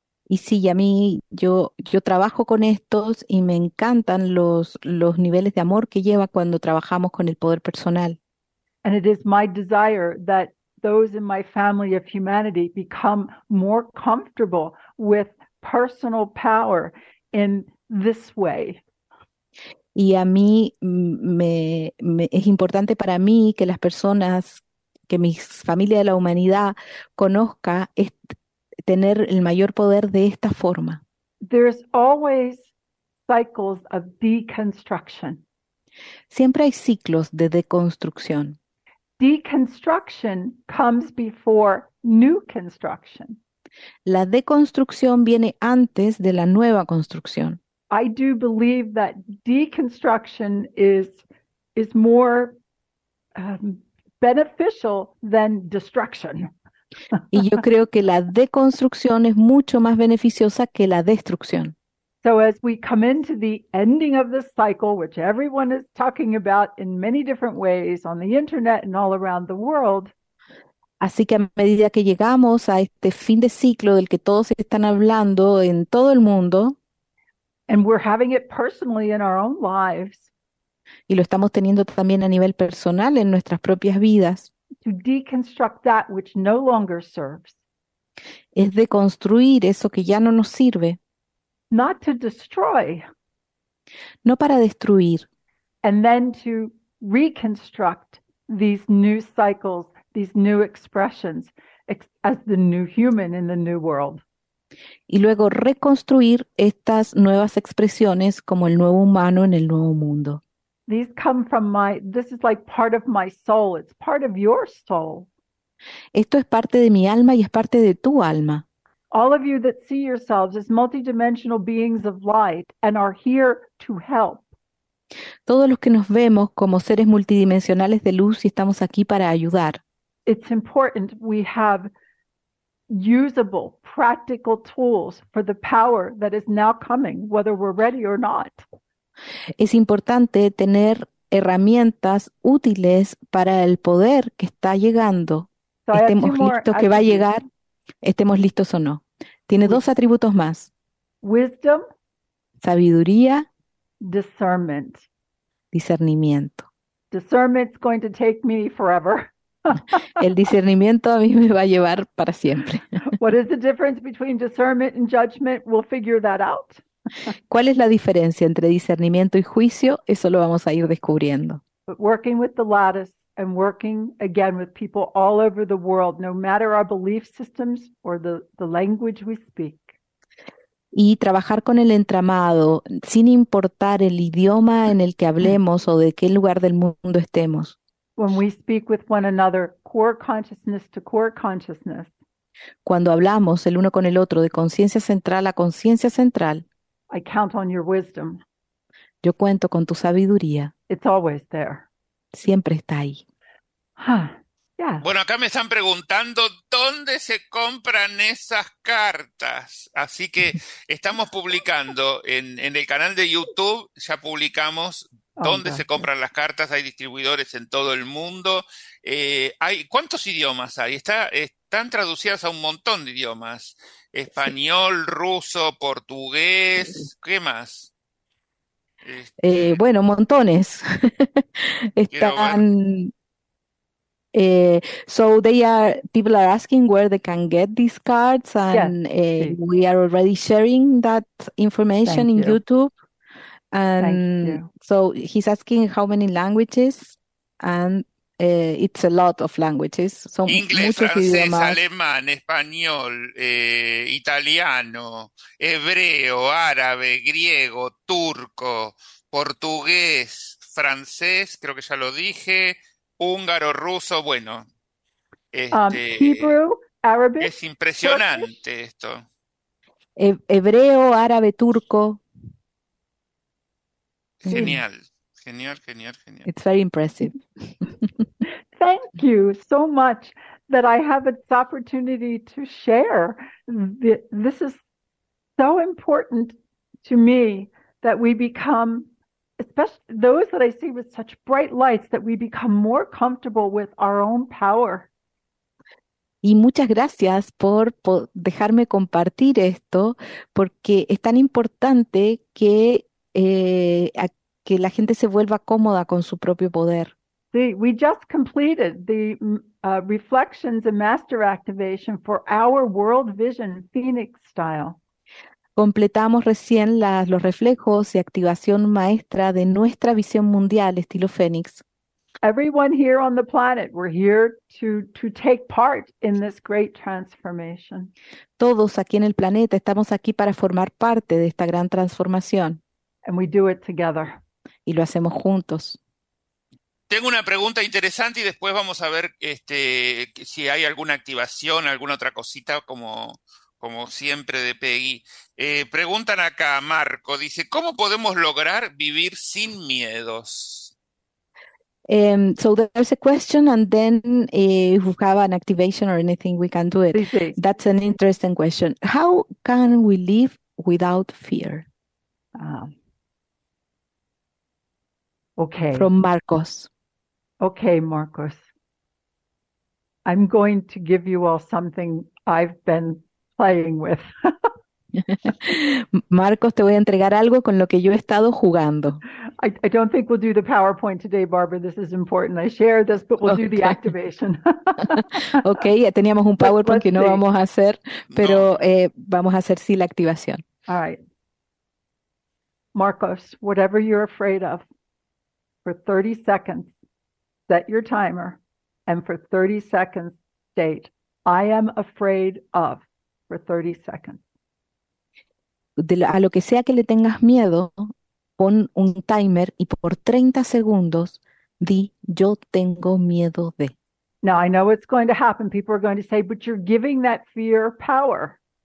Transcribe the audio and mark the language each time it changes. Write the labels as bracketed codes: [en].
[es] Y sí, a mí, yo trabajo con estos y me encantan los niveles de amor que lleva cuando trabajamos con el poder personal. [en] And it is my desire that those in my family of humanity become more comfortable with personal power in this way. [es] Y a mí, me es importante para mí que las personas, que mi familia de la humanidad conozca tener el mayor poder de esta forma. [en] There's always cycles of deconstruction. [es] Siempre hay ciclos de deconstrucción. [en] Deconstruction comes before new construction. [es] La deconstrucción viene antes de la nueva construcción. [en] I do believe that deconstruction is more beneficial than destruction. [es] Y yo creo que la deconstrucción es mucho más beneficiosa que la destrucción. [en] So as we come into the ending of this cycle, which everyone is talking about in many different ways on the internet and all around the world. [es] Así que a medida que llegamos a este fin de ciclo del que todos están hablando en todo el mundo. [en] And we're having it personally in our own lives. [es] Y lo estamos teniendo también a nivel personal en nuestras propias vidas. [en] To deconstruct that which no longer serves. [es] Es deconstruir eso que ya no nos sirve. [en] Not to destroy. [es] No para destruir. [en] And then to reconstruct these new cycles, these new expressions, as the new human in the new world. [es] Y luego reconstruir estas nuevas expresiones como el nuevo humano en el nuevo mundo. [en] These come from my, this is like part of my soul. It's part of your soul. [es] Esto es parte de mi alma y es parte de tu alma. [en] All of you that see yourselves as multidimensional beings of light and are here to help. [es] Todos los que nos vemos como seres multidimensionales de luz y estamos aquí para ayudar. [en] It's important we have usable, practical tools for the power that is now coming, whether we're ready or not. [es] Es importante tener herramientas útiles para el poder que está llegando. [en] So [es] estemos listos [en] attributes. [es] Que va a llegar, estemos listos o no. Tiene dos atributos más. [en] Wisdom. [es] Sabiduría. [en] Discernment. [es] Discernimiento. [en] Discernment's going to take me forever. [es] El discernimiento a mí me va a llevar para siempre. [en] What is the difference between discernment and judgment? We'll figure that out. [es] ¿Cuál es la diferencia entre discernimiento y juicio? Eso lo vamos a ir descubriendo. [en] But working with the lattice and working again with people all over the world, no matter our belief systems or the language we speak. [es] Y trabajar con el entramado sin importar el idioma en el que hablemos o de qué lugar del mundo estemos. [en] When we speak with one another, core consciousness to core consciousness. [es] Cuando hablamos el uno con el otro de conciencia central a conciencia central. [en] I count on your wisdom. [es] Yo cuento con tu sabiduría. [en] It's always there. [es] Siempre está ahí. [en] Huh. Yeah. [es] Bueno, acá me están preguntando dónde se compran esas cartas. Así que estamos publicando en el canal de YouTube, ya publicamos dónde se compran las cartas. Hay distribuidores en todo el mundo. ¿Cuántos idiomas hay? Están traducidas a un montón de idiomas. Español, sí. Ruso, portugués, ¿qué más? Bueno, montones. Están. [en] So they are, people are asking where they can get these cards, and yes. We are already sharing that information Thank in you. YouTube. And Thank you. So he's asking how many languages, and it's a lot of languages. So [es] inglés, francés, idiomas. Alemán, español, italiano, hebreo, árabe, griego, turco, portugués, francés, creo que ya lo dije, húngaro, ruso, bueno. [en] Hebrew, Arabic. [es] Es impresionante Turkish. Esto. Hebreo, árabe, turco. Genial, genial, genial, genial. [en] It's very impressive. Thank you so much. that I have this opportunity to share. This is so important to me that we become, especially those that I see with such bright lights, that we become more comfortable with our own power. [es] Y muchas gracias por dejarme compartir esto, porque es tan importante que la gente se vuelva cómoda con su propio poder. [en] See, we just completed the Reflections and Master Activation for our World Vision Phoenix Style. [es] Completamos recién los reflejos y activación maestra de nuestra visión mundial estilo Fénix. [en] Everyone here on the planet, we're here to take part in this great transformation. [es] Todos aquí en el planeta estamos aquí para formar parte de esta gran transformación. [en] And we do it together. [es] Y lo hacemos juntos. Tengo una pregunta interesante y después vamos a ver si hay alguna activación, alguna otra cosita, como siempre de Peggy. Preguntan acá a Marco, dice, ¿cómo podemos lograr vivir sin miedos? [en] So there's a question, and then if we have an activation or anything, we can do it. [es] Sí, sí. [en] That's an interesting question. How can we live without fear? Okay. From Marcos. Okay, Marcos. I'm going to give you all something I've been playing with. [es] Marcos, te voy a entregar algo con lo que yo he estado jugando. [en] I don't think we'll do the PowerPoint today, Barbara. This is important. I share this, but we'll do the activation. [es] Okay, ya teníamos un PowerPoint que no vamos a hacer, pero vamos a hacer sí la activación. [en] All right. Marcos, whatever you're afraid of, for 30 seconds, set your timer, and for 30 seconds, state, I am afraid of, for 30 seconds. [es] A lo que sea que le tengas miedo, pon un timer y por 30 segundos di, yo tengo miedo de. [en] Now, I know it's going to happen. People are going to say, but you're giving that fear power.